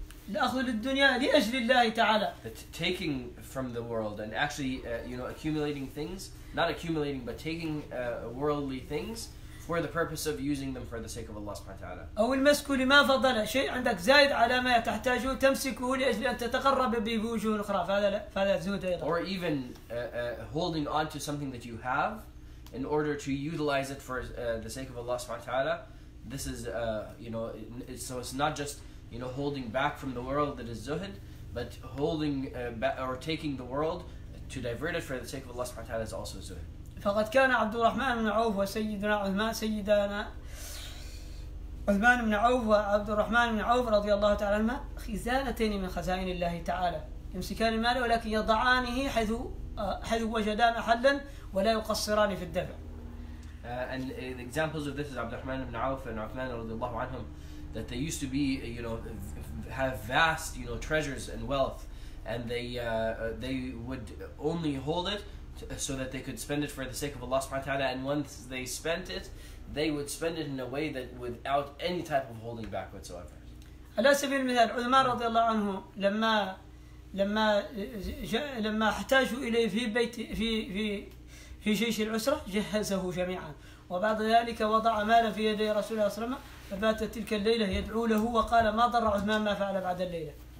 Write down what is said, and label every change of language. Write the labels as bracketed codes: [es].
[ar] الأخذ للدنيا لأجل الله تعالى. [en] Taking from the world and actually you know, accumulating things, not accumulating but taking worldly things for the purpose of using them for the sake of Allah subhanahu wa ta'ala. [ar] أو المسك لما فضل شيء عندك زائد على ما تحتاجه تمسكه لأجل أن تتقرب بوجوه أخرى، فهذا زهد أيضا. [en] Or even holding on to something that you have in order to utilize it for the sake of Allah subhanahu wa ta'ala. This is you know, so it's not just, you know, holding back from the world that is zuhd, but holding or taking the world to divert it for the sake of Allah subhanahu wa ta'ala is also zuhd. [ar] فقد كان عبد الرحمن بن عوف وسيدنا عثمان سيدنا عثمان بن عوف وعبد الرحمن بن عوف رضي الله تعالى عنهما خزانتين من خزائن الله تعالى، يمسكان المال ولكن يضعانه حيث وجدا محلا ولا يقصران في الدفع. [en] And the examples of this is عبد الرحمن بن عوف and عثمان رضي الله عنهم, that they used to be, you know, have vast, you know, treasures and wealth, and they would only hold it so that they could spend it for the sake of Allah subhanahu wa ta'ala, and once they spent it, they would spend it in a way that without any type of holding back whatsoever. [ar] على سبيل المثال عثمان رضي الله عنه لما احتاجوا إليه في بيت في جيش العسرة جهزه جميعا، وبعد ذلك وضع مالا في يدي رسول الله صلى الله عليه وسلم، فبات تلك الليلة يدعو له وقال ما ضر عثمان ما فعل بعد الليلة.